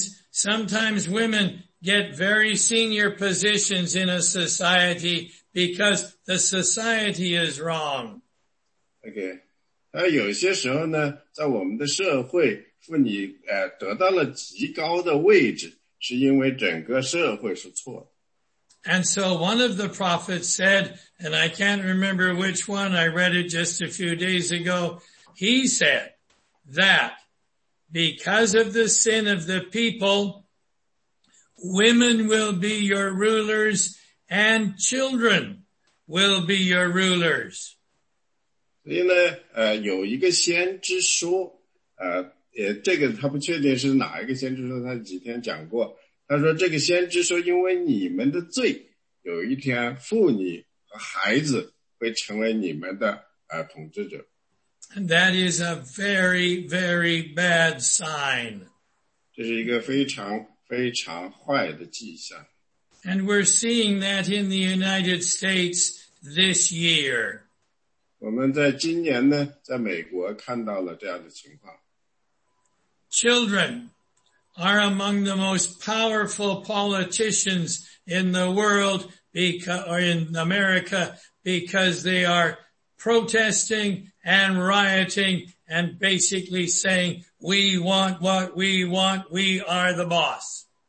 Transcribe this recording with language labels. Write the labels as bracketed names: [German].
[English] sometimes women get very senior positions in a society because the society is wrong. Okay. [Chinese] 有些时候呢, 在我们的社会, 妇女, 得到了极高的位置, 是因为整个社会是错的。 [English] And so one of the prophets said, and I can't remember which one, I read it just a few days ago, he said that because of the sin of the people, women will be your rulers and children will be your rulers. [Chinese] 所以呢, 有一个先知说, 这个他不确定是哪一个先知说, 他几天讲过, 他说这个先知说因为你们的罪, 有一天妇女和孩子会成为你们的, 统治者。 [English] And that is a very, very bad sign. [Chinese] 这是一个非常坏的迹象。 [English] And we're seeing that in the United States this year. [Chinese] 我们在今年呢, 在美国看到了这样的情况。 [English] Children are among the most powerful politicians in the world or in America because they are protesting and rioting and basically saying, we want what we want, we are the boss.